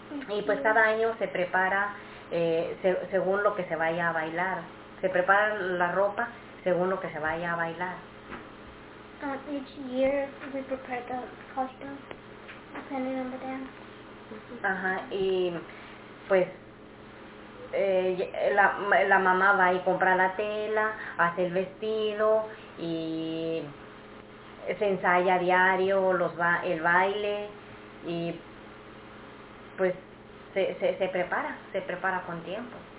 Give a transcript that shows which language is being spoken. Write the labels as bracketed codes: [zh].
[es] Y pues cada año se prepara según lo que se vaya a bailar. Se prepara la ropa según lo que se vaya a bailar. [en] Each year we prepare the costume depending on the dance. [es] Ajá, y pues la mamá va y compra la tela, hace el vestido y se ensaya a diario el baile y pues se prepara con tiempo.